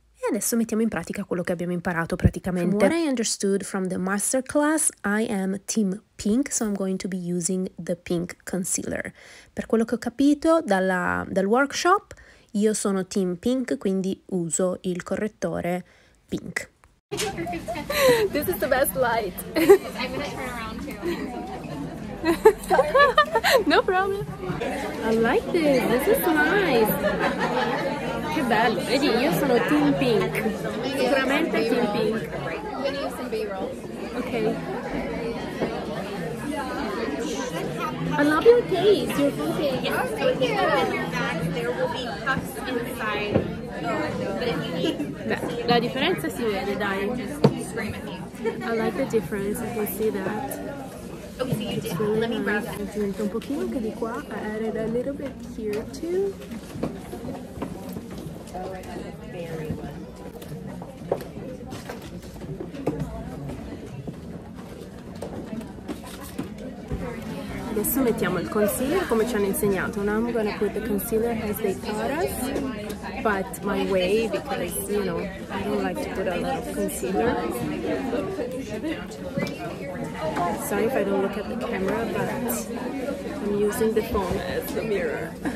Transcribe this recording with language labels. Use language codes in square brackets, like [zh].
[it] E adesso mettiamo in pratica quello che abbiamo imparato praticamente. [en] From what I understood from the masterclass, I am team pink, so I'm going to be using the pink concealer. [it] Per quello che ho capito dal workshop, io sono team pink, quindi uso il correttore pink. [en] This is the best light. I'm gonna turn around too. No problem. I like this. This is nice. [it] Che bello, vedi, io sono team pink, sicuramente team pink. [en] We're gonna use some B-rolls. Okay. I love your case, your full case. Oh, thank you. So if you have it in your bag, there will be puffs inside, but if you [it] need... Beh, la differenza si vede, dai. [en] Just scream at me. I like the difference, if you see that. Okay, so you did. Let me grab that. [it] Aggiunto un pochino anche di qua, [en] I added a little bit here too. [it] Adesso mettiamo il concealer come ci hanno insegnato. [en] Now I'm gonna put the concealer as they taught us, but my way, because you know I don't like to put a lot of concealer. Sorry if I don't look at the camera, but I'm using the phone as the mirror.